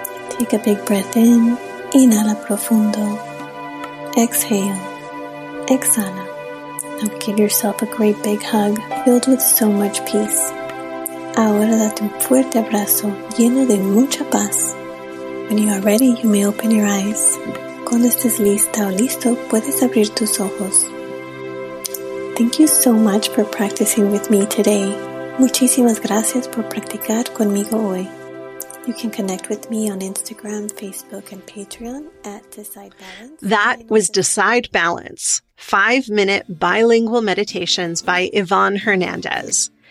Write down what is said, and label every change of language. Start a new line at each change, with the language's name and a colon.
English: Take a big breath in.
Spanish: Inhala profundo.
English: Exhale.
Spanish: Exhala.
English: Now give yourself a great big hug filled with so much peace.
Spanish: Ahora date un fuerte abrazo lleno de mucha paz.
English: When you are ready, you may open your eyes.
Spanish: Cuando estés lista o listo, puedes abrir tus ojos.
English: Thank you so much for practicing with me today.
Spanish: Muchísimas gracias por practicar conmigo hoy.
English: You can connect with me on Instagram, Facebook, and Patreon at Decide Balance. That was Decide Balance, 5-minute bilingual meditations by Yvonne Hernandez.